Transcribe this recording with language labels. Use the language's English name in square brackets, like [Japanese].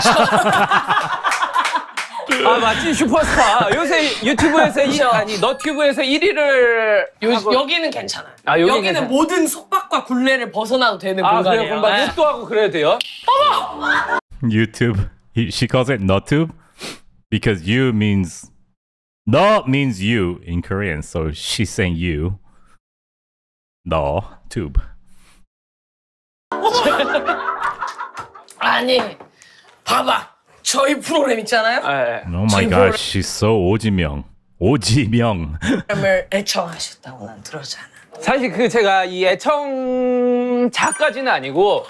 [Korean] 아. 아, 맞지. 슈퍼스타. 요새 유튜브에서 아니, 너튜브에서 1위를 여기는 괜찮아. 아, 여기는 모든 속박과 굴레를 벗어나도 되는 공간이에요. 아, 그래요? 그럼 막 욕도 하고 그래야 돼요? 어머! [English] 유튜브. She calls it 너튜브. Because you means, 너 means you in Korean, so she's saying you, 너, tube. [Korean] 아니, 봐봐, 저희 프로그램 있잖아요? [English] 네. Oh my gosh, she's so 오지명. 오지명. [Korean] 프로그램을 애청하셨다고 난 들었잖아. 사실 그 제가 이 애청자까지는 아니고.